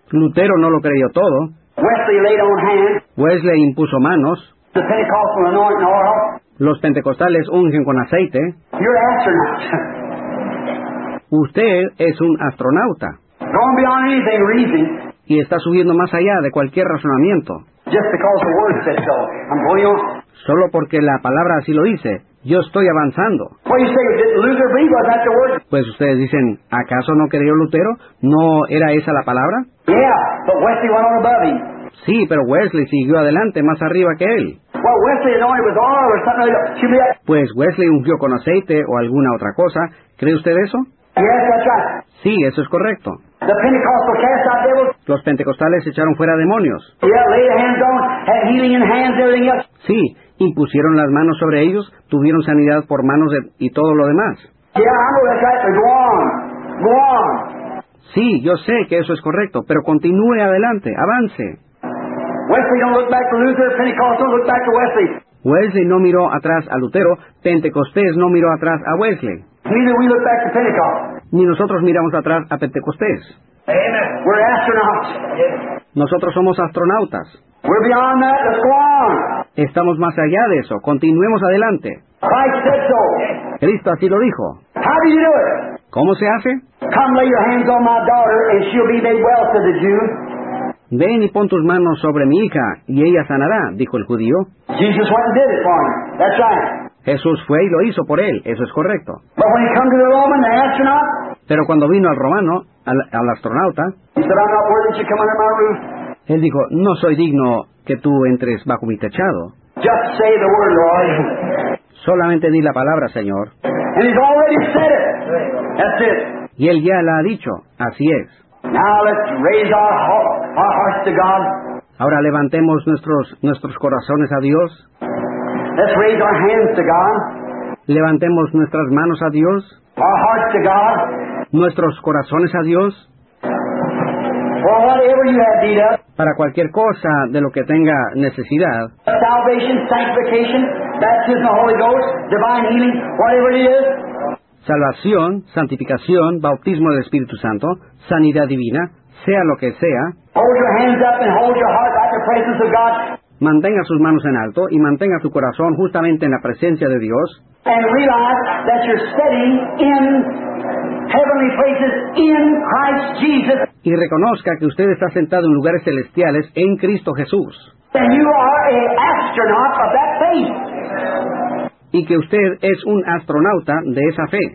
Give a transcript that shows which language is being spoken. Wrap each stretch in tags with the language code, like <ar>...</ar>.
<es>Lutero no lo creyó todo.</es> <en>Wesley laid on hands.</en> <es>Wesley impuso manos.</es> <en>The Pentecostal anointing oil.</en> <es>Los pentecostales ungen con aceite.</es> <en>You're an astronaut.</en> <es>Usted es un astronauta.</es> <en>Going beyond anything reason.</en> <es>Y está subiendo más allá de cualquier razonamiento.</es> <en>Just because the word says so. I'm going on.</en> <es>Solo porque la palabra así lo dice. Yo estoy avanzando.</es> <en>What you say, did Luther believe, was that the word?</en> <es>Pues ustedes dicen, ¿acaso no creyó Lutero? ¿No era esa la palabra?</es> <en>Yeah, but Wesley went on above him.</en> <es>Sí, pero Wesley siguió adelante, más arriba que él.</es> <en>Well, Wesley anointed with oil or something like that.</en> <es>Pues Wesley ungió con aceite o alguna otra cosa. ¿Cree usted eso?</es> <en>Yes, that's right.</en> <es>Sí, eso es correcto.</es> <en>The Pentecostal cast out devils.</en> <es>Los pentecostales echaron fuera demonios.</es> <en>Yeah, lay your hands on, had healing in hands, everything else.</en> <es>Sí. Y pusieron las manos sobre ellos, tuvieron sanidad por manos y todo lo demás.</es> <en>Yeah, I know that's right, so go on. Go on.</en> <es>Sí, yo sé que eso es correcto, pero continúe adelante, avance.</es> <en>Wesley don't look back to Luther, Pentecostal look back to Wesley.</en> <es>Wesley no miró atrás a Lutero, Pentecostés no miró atrás a Wesley.</es> <en>Neither we look back to Pentecost.</en> <es>Ni nosotros miramos atrás a Pentecostés.</es> <en>Amen. We're astronauts.</en> <es>Nosotros somos astronautas.</es> <en>We're beyond that. Let's go on.</en> <es>Estamos más allá de eso. Continuemos adelante.</es> <en>Christ said so.</en> <es>Cristo así lo dijo.</es> <en>How do you do it?</en> <es>¿Cómo se hace?</es> <en>Come lay your hands on my daughter and she'll be made well, said the Jew.</en> <es>Ven y pon tus manos sobre mi hija y ella sanará, dijo el judío.</es> <en>Jesus went and did it for him. That's right.</en> <es>Jesús fue y lo hizo por él. Eso es correcto.</es> <en>But when he come to the Roman, the astronaut,</en> <es>pero cuando vino al romano, al astronauta,</es> <en>he said, I'm not worthy that you come under my roof.</en> <es>Él dijo, no soy digno que tú entres bajo mi techado.</es> <en>Just say the word, Lord.</en> <es>Solamente di la palabra, Señor.</es> <en>And he's already said it. That's it.</en> <es>Y él ya la ha dicho. Así es.</es> <en>Now let's raise our hearts to God.</en> <es>Ahora levantemos nuestros corazones a Dios.</es> <en>Let's raise our hands to God.</en> <es>Levantemos nuestras manos a Dios.</es> <en>Our hearts to God.</en> <es>Nuestros corazones a Dios.</es> <en>For whatever you have need of.</en> <es>Para cualquier cosa de lo que tenga necesidad.</es> <en>Salvation, sanctification, baptism, the Holy Ghost, divine healing, whatever it is.</en> <es>Salvación, santificación, bautismo del Espíritu Santo, sanidad divina, sea lo que sea.</es> <en>Hold your hands up and hold your heart like the presence of God.</en> <es>Mantenga sus manos en alto y mantenga su corazón justamente en la presencia de Dios.</es> <en>And realize that you're sitting in heavenly places in Christ Jesus.</en> <es>Y reconozca que usted está sentado en lugares celestiales en Cristo Jesús.</es> <en>And you are an astronaut of that faith.</en> <es>Y que usted es un astronauta de esa fe.</es>